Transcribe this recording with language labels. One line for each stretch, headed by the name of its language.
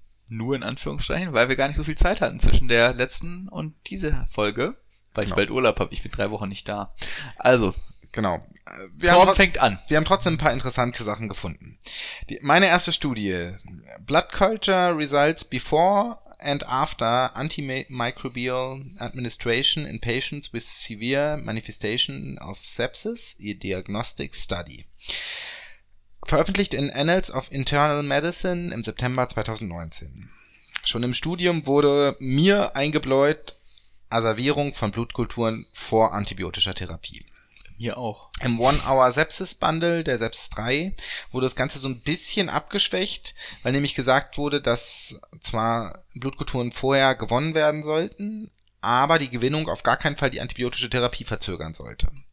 German: Nur in Anführungszeichen, weil wir gar nicht so viel Zeit hatten zwischen der letzten und dieser Folge. Weil ich bald Urlaub habe. Ich bin 3 Wochen nicht da. Also. Genau. Torben fängt an. Wir haben trotzdem ein paar interessante Sachen gefunden. Meine erste Studie.
English: Blood Culture Results Before and After Antimicrobial Administration in Patients with Severe Manifestation of Sepsis, a Diagnostic Study.
German: Veröffentlicht in Annals of Internal Medicine im September 2019. Schon im Studium wurde mir eingebläut, Asservierung von Blutkulturen vor antibiotischer Therapie. Mir auch. Im One-Hour-Sepsis-Bundle, der Sepsis 3, wurde das Ganze so ein bisschen abgeschwächt, weil nämlich gesagt wurde, dass zwar Blutkulturen vorher gewonnen werden sollten, aber die Gewinnung auf gar keinen Fall die antibiotische Therapie verzögern sollte.